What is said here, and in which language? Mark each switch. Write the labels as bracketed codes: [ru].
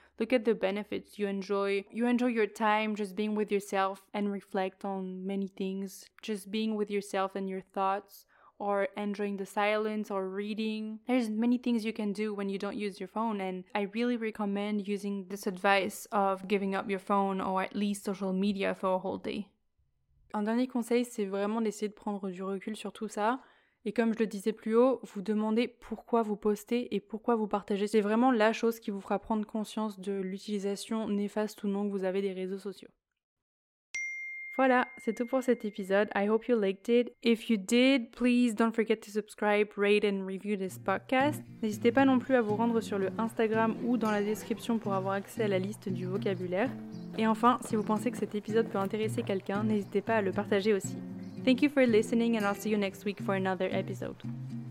[en] Look at the benefits you enjoy. You enjoy your time just being with yourself and reflect on many things. Just being with yourself and your thoughts, or enjoying the silence or reading. There's many things you can do when you don't use your phone, and I really recommend using this advice of giving up your phone or at least social media for a whole day. [fr] Un dernier conseil, c'est vraiment d'essayer de prendre du recul sur tout ça. Et comme je le disais plus haut, vous demandez pourquoi vous postez et pourquoi vous partagez. C'est vraiment la chose qui vous fera prendre conscience de l'utilisation néfaste ou non que vous avez des réseaux sociaux. Voilà, c'est tout pour cet épisode. [en] I hope you liked it. If you did, please don't forget to subscribe, rate and review this podcast. [fr] N'hésitez pas non plus à vous rendre sur le Instagram ou dans la description pour avoir accès à la liste du vocabulaire. Et enfin, si vous pensez que cet épisode peut intéresser quelqu'un, n'hésitez pas à le partager aussi. [en] Thank you for listening, and I'll see you next week for another episode.